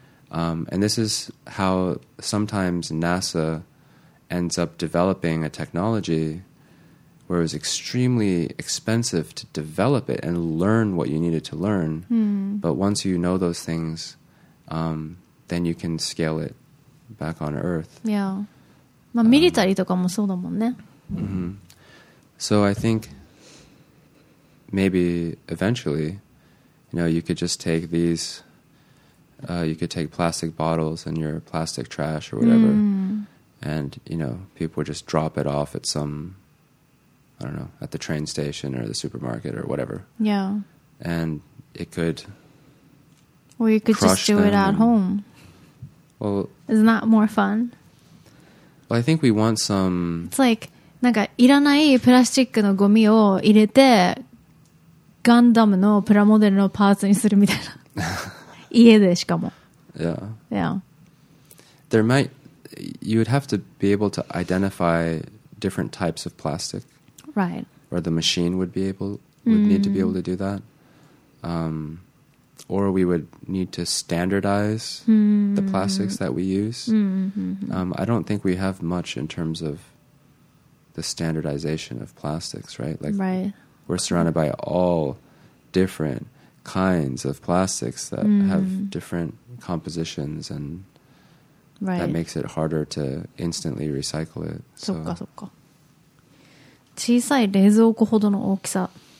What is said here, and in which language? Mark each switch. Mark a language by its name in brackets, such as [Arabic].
[English] And this is how sometimes NASA ends up developing a technology... where it was extremely expensive to develop it and learn what you needed to learn. But once you know those things, then you can scale it back on Earth. Yeah. [Japanese] まあ、ミリタリーとかもそうだもんね。 [English] So I think maybe eventually, you know, you could just take these, you could take plastic bottles and your plastic trash or whatever, and, you know, people would just drop it off at some... I don't know, at the train station or the supermarket or whatever. Yeah. And it could... Or you could just do it at home. Well, isn't that more fun? Well, I think we want some. It's like, [Japanese] なんかいらないプラスチックのゴミを入れてガンダムのプラモデルのパーツにするみたいな。家でしかも。 [English] Yeah. Yeah. There might, you would have to be able to identify different types of plastic. Right. Or the machine would be able, would need to be able to do that. Or we would need to standardize the plastics that we use. I don't think we have much in terms of the standardization of plastics, right? Like, right. We're surrounded by all different kinds of plastics that have different compositions and right. that makes it harder to instantly recycle it. So, [Japanese] そっかそっか。小さい冷蔵庫ほどの大きさ。